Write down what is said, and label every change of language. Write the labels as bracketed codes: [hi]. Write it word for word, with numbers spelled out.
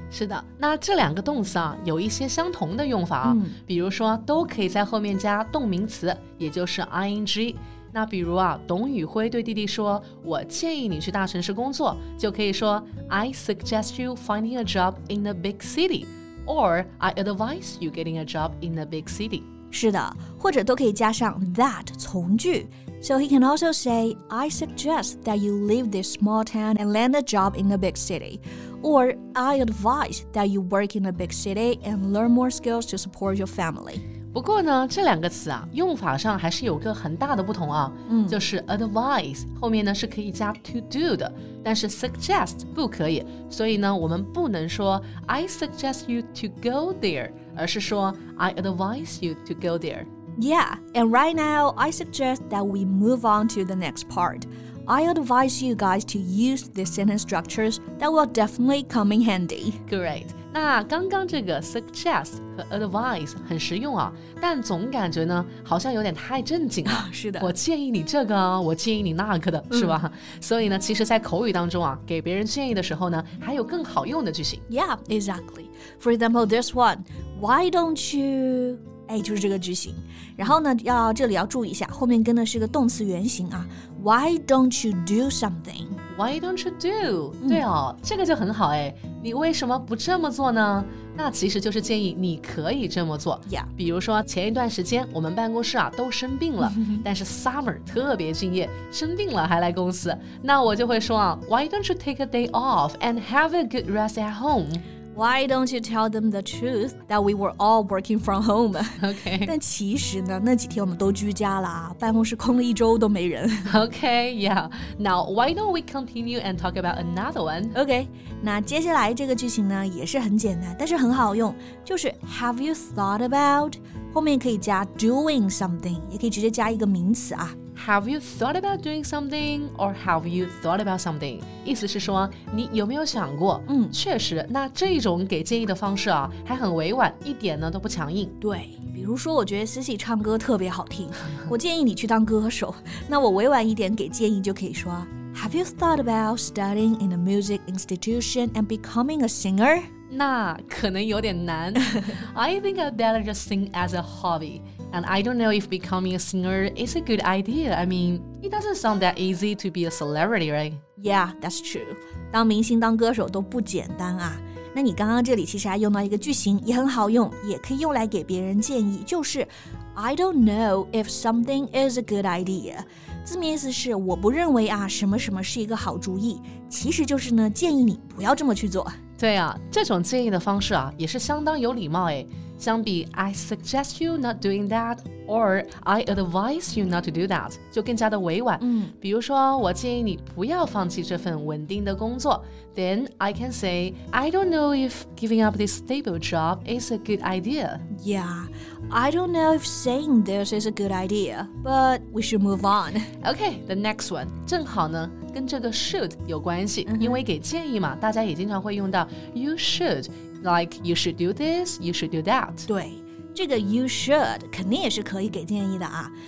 [zh] 是的，那这两个动词啊，有一些相同的用法啊，嗯，比如说都可以在后面加动名词，也就是 ing。那比如啊，董宇辉对弟弟说，我建议你去大城市工作，就可以说 [en] I suggest you finding a job in a big city. Or, I advise you getting a job in a big city. [zh] 是的，或者都可以加上 that 从句。 [en] So he can also say, I suggest that you leave this small town and land a job in a big city. Or, I advise that you work in a big city and learn more skills to support your family. [zh] 不过呢，这两个词啊，用法上还是有个很大的不同啊，嗯，就是 advise 后面呢是可以加 to do 的，但是 suggest 不可以，所以呢，我们不能说 [en] I suggest you to go there， [zh] 而是说 [en] I advise you to go there。 Yeah, and right now I suggest that we move on to the next part. I advise you guys to use these sentence structures that will definitely come in handy. Great. [zh] 那刚刚这个 suggest 和 advise 很实用啊，但总感觉呢好像有点太正经了。是的，我建议你这个，我建议你那个的，是吧？嗯，所以呢，其实在口语当中啊，给别人建议的时候呢，还有更好用的句型。 [en] Yeah, exactly. For example, this one. Why don't you... [zh] 哎，就是这个句型，然后呢，要这里要注意一下，后面跟的是个动词原形啊。 [en] Why don't you do something? Why don't you do?、 [zh] 嗯、对哦，这个就很好哎。你为什么不这么做呢？那其实就是建议你可以这么做。 [en] Yeah. [zh] 比如说前一段时间我们办公室啊都生病了，但是 Summer 特别敬业，生病了还来公司，那我就会说啊 ， [en] Why don't you take a day off and have a good rest at home? Why don't you tell them the truth that we were all working from home? Okay. [zh] 但其实呢，那几天我们都居家啦，办公室空了一周都没人。 [en] Okay, yeah. Now, why don't we continue and talk about another one? Okay. [zh] 那接下来这个句型呢，也是很简单，但是很好用，就是 [en] Have you thought about? [zh] 后面可以加 doing something， 也可以直接加一个名词啊。 [en] Have you thought about doing something or have you thought about something? [zh] 意思是说你有没有想过？嗯，确实，那这种给建议的方式啊，还很委婉，一点呢都不强硬。对，比如说我觉得Cici唱歌特别好听，我建议你去当歌手，那我委婉一点给建议就可以说 [en] Have you thought about studying in a music institution and becoming a singer? [zh] 那可能有点难。 [en] I think I'd better just sing as a hobby. And I don't know if becoming a singer is a good idea. I mean, It doesn't sound that easy to be a celebrity, right? Yeah, that's true. [zh] 当明星当歌手都不简单啊。那你刚刚这里其实还用到一个句型，也很好用，也可以用来给别人建议，就是 [en] I don't know if something is a good idea。 [zh] 字面意思是我不认为啊什么什么是一个好主意，其实就是呢建议你不要这么去做。对啊，这种建议的方式啊也是相当有礼貌诶。相比 [en] I suggest you not doing that or I advise you not to do that [zh] 就更加的委婉、嗯、比如说我建议你不要放弃这份稳定的工作 [en] Then I can say I don't know if giving up this stable job is a good idea Yeah, I don't know if saying this is a good idea But we should move on Okay, the next one [zh] 正好呢跟这个 should 有关系、嗯、因为给建议嘛大家也经常会用到 [en] You should Like, you should do this, you should do that. [zh] 对，这个 you should 肯定也是可以给建议的啊。